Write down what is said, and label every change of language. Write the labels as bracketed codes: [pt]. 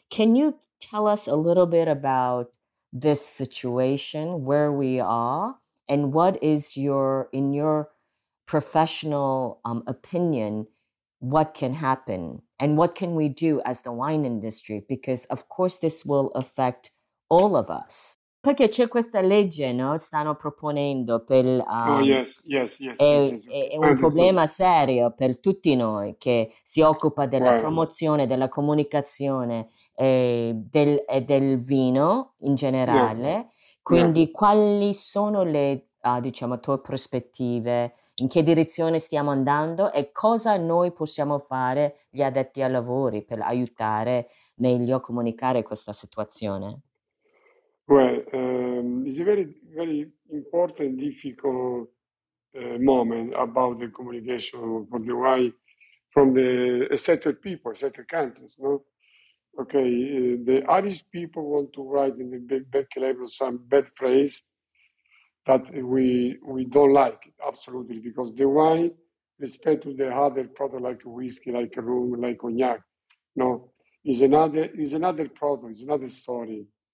[en] Can you tell us a little bit about this situation, where we are? And what is in your professional opinion, what can happen? And what can we do as the wine industry? Because, of course, this will affect all of us. [it] perché c'è questa legge, no? Stanno proponendo per è un problema serio per tutti noi che si occupa della promozione, della comunicazione del vino in generale. Quindi quali sono le diciamo tue prospettive? In che direzione stiamo andando e cosa noi possiamo fare gli addetti ai lavori per aiutare meglio a comunicare questa situazione? [en] Well, it's a very, very important, difficult moment about the communication for the why from the settled people, settled countries. No, okay, the Irish people want to write in the back label some bad phrase that we don't like absolutely, because the wine, respect to the other product like whiskey, like rum, like cognac, no, is another product, is another story.